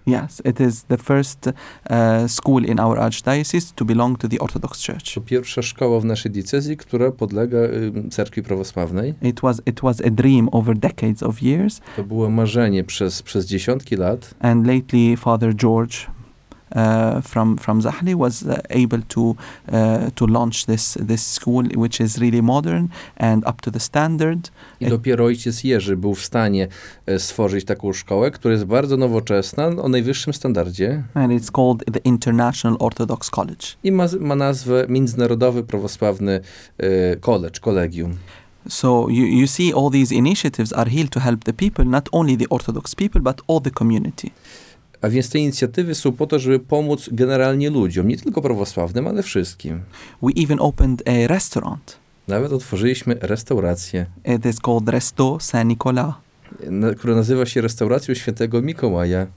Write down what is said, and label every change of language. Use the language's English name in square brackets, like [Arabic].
[English] Yes, it is the first school in our archdiocese to belong to the Orthodox Church. [Polish] To pierwsza szkoła w naszej diecezji, która podlega cerkwi prawosławnej. [English] It was a dream over decades of years. [Polish] To było marzenie przez dziesiątki lat. [English] And lately Father George from Zahli was able to launch this school, which is really modern and up to the standard. [Polish] I dopiero ojciec Jerzy był w stanie stworzyć taką szkołę, która jest bardzo nowoczesna, o najwyższym standardzie. [English] And it's called the International Orthodox College. [Polish] I ma nazwę Międzynarodowy Prawosławny Kolegium. [English] So you see all these initiatives are here to help the people, not only the Orthodox people, but all the community. [Polish] A więc te inicjatywy są po to, żeby pomóc generalnie ludziom, nie tylko prawosławnym, ale wszystkim. [English] We even opened a restaurant. [Polish] Nawet otworzyliśmy restaurację. [English] It is called Resto Saint Nicolas. [Polish] Która nazywa się restauracją Świętego Mikołaja.